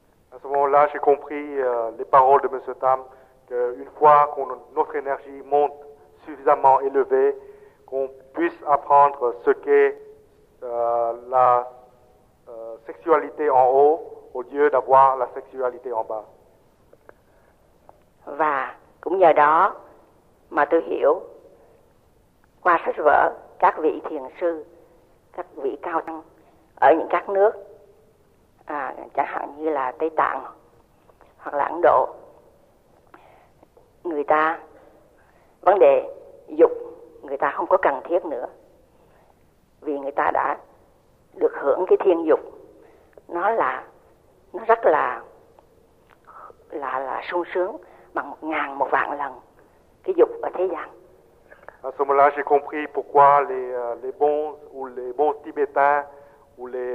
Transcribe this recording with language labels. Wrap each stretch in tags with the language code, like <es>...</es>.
<fr>À ce moment-là, j'ai compris les paroles de Monsieur Tam, que une fois que notre énergie monte suffisamment élevé, qu'on puisse apprendre ce qu'est la sexualité en haut au lieu d'avoir la sexualité en bas.</fr> <vi>Và cũng nhờ đó mà tôi hiểu qua sách vở các vị thiền sư, các vị cao tăng ở những các nước chẳng hạn như là Tây Tạng hoặc là Ấn Độ, người ta vấn đề dục người ta không có cần thiết nữa, vì người ta đã được hưởng cái thiên dục, nó rất là sung sướng bằng một ngàn một vạn lần cái dục ở thế gian.</vi> <fr>À ce moment-là, j'ai compris pourquoi les bons tibétains ou</fr>